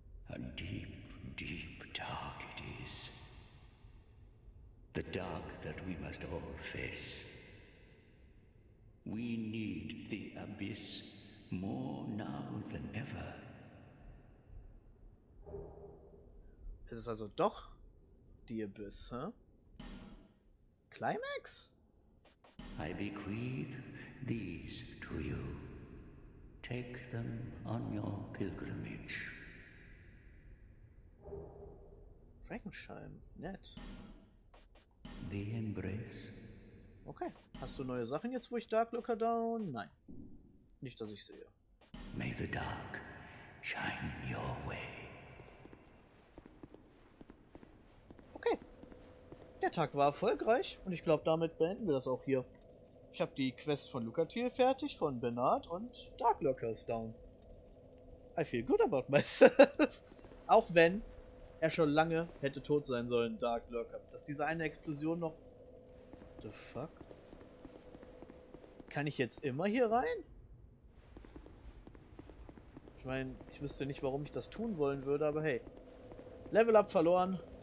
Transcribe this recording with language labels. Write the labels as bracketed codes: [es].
[en] A deep, deep dark it is. The dark that we must all face. We need the Abyss more now than ever. [de] Es ist also doch die Abyss, hä? Huh? [en] Climax? I bequeath these to you. Take them on your pilgrimage. [de] Frankenschein, nett. [en] The Embrace. Okay. [de] Hast du neue Sachen jetzt, wo ich Dark Looker down? Nein. Nicht, dass ich sehe. [en] May the dark shine your way. Okay. [de] Der Tag war erfolgreich und ich glaube, damit beenden wir das auch hier. Ich habe die Quest von Lucatiel fertig, von Bernard und Dark Looker ist down. [en] I feel good about myself. [de] Auch wenn er schon lange hätte tot sein sollen, Dark Looker. Dass diese eine Explosion noch... [en] The fuck? [de] Kann ich jetzt immer hier rein? Ich meine, ich wüsste nicht, warum ich das tun wollen würde, aber hey. Level up verloren.